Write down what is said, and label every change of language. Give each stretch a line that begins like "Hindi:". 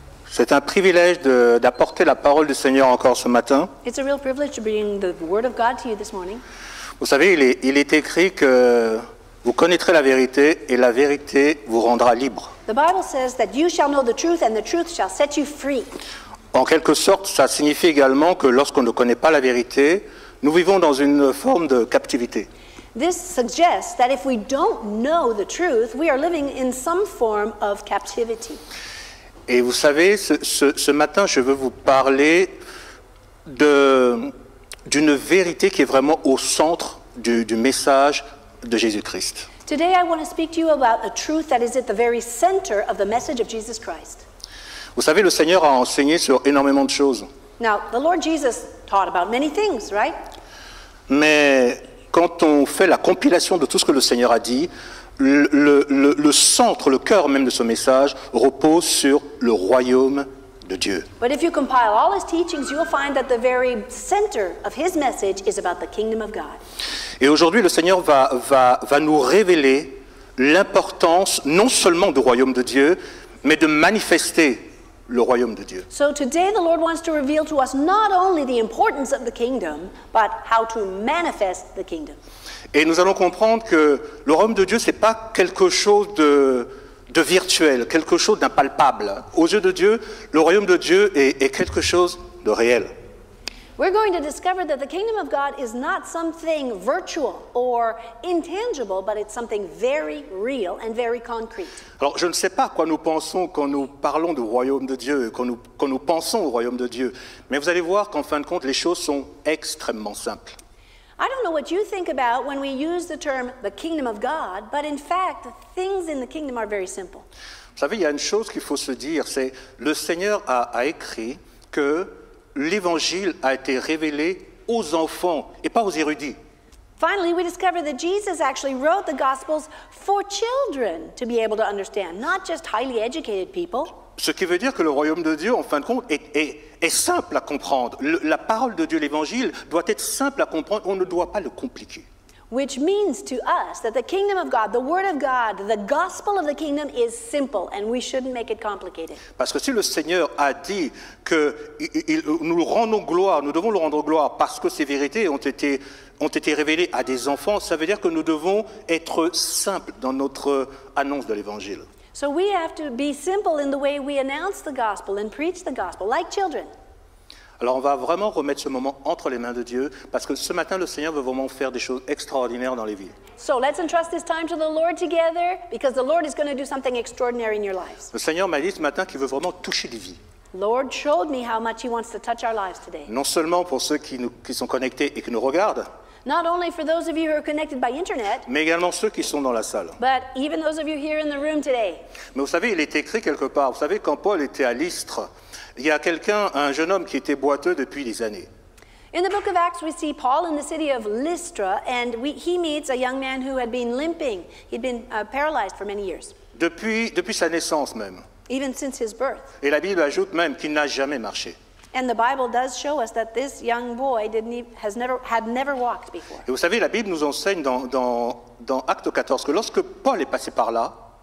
French: C'est un privilège d'apporter la parole du Seigneur encore ce matin.
English: It's a real privilege to bring the word of God to you this morning.
French: Vous savez, il est écrit que vous connaîtrez la vérité et la vérité vous rendra libre.
English: The Bible says that you shall know the truth and the truth shall set you free.
French: En quelque sorte, ça signifie également que lorsqu'on ne connaît pas la vérité, nous vivons dans une forme de captivité.
English: This suggests that if we don't know the truth, we are living in some form of captivity.
French: Et vous savez, ce matin, je veux vous parler d'une vérité qui est vraiment au centre du message de Jésus-Christ.
English: Today I want to speak to you about a truth that is at the very center of the message of Jesus Christ.
French: Vous savez, le Seigneur a enseigné sur énormément de choses.
English: Now, the Lord Jesus taught about many things, right?
French: Mais quand on fait la compilation de tout ce que le Seigneur a dit, le centre, le cœur même de ce message repose sur le royaume de Dieu.
English: But if you compile all his teachings, you will find that the very center of his message is about the kingdom of God.
French: Et aujourd'hui, le Seigneur va nous révéler l'importance non seulement du royaume de Dieu, mais de manifester le royaume de Dieu.
English: So today the Lord wants to reveal to us not only the importance of the kingdom, but how to manifest the kingdom.
French: Et nous allons comprendre que le royaume de Dieu, c'est pas quelque chose de virtuel, quelque chose d'impalpable. Aux yeux de Dieu, le royaume de Dieu est quelque chose de réel.
English: We're going to discover that the kingdom of God is not something virtual or intangible, but it's something very real and very concrete.
French: Alors, je ne sais pas quoi nous pensons quand nous parlons du royaume de Dieu, quand nous pensons au royaume de Dieu, mais vous allez voir qu'en fin de compte, les choses sont extrêmement simples.
English: I don't know what you think about when we use the term the kingdom of God, but in fact, things in the kingdom are very simple.
French: Vous savez, il y a une chose qu'il faut se dire, c'est le Seigneur a écrit que l'Évangile a été révélé aux enfants et pas aux érudits.
English: Finally, we discover that Jesus actually wrote the Gospels for children to be able to understand, not just highly educated people.
French: Ce qui veut dire que le royaume de Dieu, en fin de compte, est simple à comprendre. La parole de Dieu, l'Évangile, doit être simple à comprendre. On ne doit pas le compliquer.
English: Which means to us that the kingdom of God, the word of God, the gospel of the kingdom is simple and we shouldn't make it complicated.
French: Parce que si le Seigneur a dit que nous rendons gloire, nous devons le rendre gloire parce que ces vérités ont été révélées à des enfants, ça veut dire que nous devons être simples dans notre annonce de l'Évangile.
English: So we have to be simple in the way we announce the gospel and preach the gospel like children.
French: Alors on va vraiment remettre ce moment entre les mains de Dieu parce que ce matin le Seigneur veut vraiment faire des choses extraordinaires dans les vies.
English: So let's entrust this time to the Lord together because the Lord is going to do something extraordinary in your lives.
French: Le Seigneur m'a dit ce matin qu'il veut vraiment toucher des vies.
English: Lord showed me how much he wants to touch our lives today.
French: Non seulement pour ceux qui sont connectés et qui nous regardent.
English: Not only for those of you who are connected by internet.
French: Mais également ceux qui sont dans la salle.
English: But even those of you here in the room today.
French: Mais vous savez, il est écrit quelque part, vous savez quand Paul était à Lystre, il y a quelqu'un, un jeune homme qui était boiteux depuis des années.
English: In the book of Acts, we see Paul in the city of Lystra, and he meets a young man who had been limping. He'd been paralyzed for many years.
French: Depuis sa naissance même.
English: Even since his birth.
French: Et la Bible ajoute même qu'il n'a jamais marché.
English: And the Bible does show us that this young boy had never walked before.
French: Et vous savez, la Bible nous enseigne dans Actes 14 que lorsque Paul est passé par là,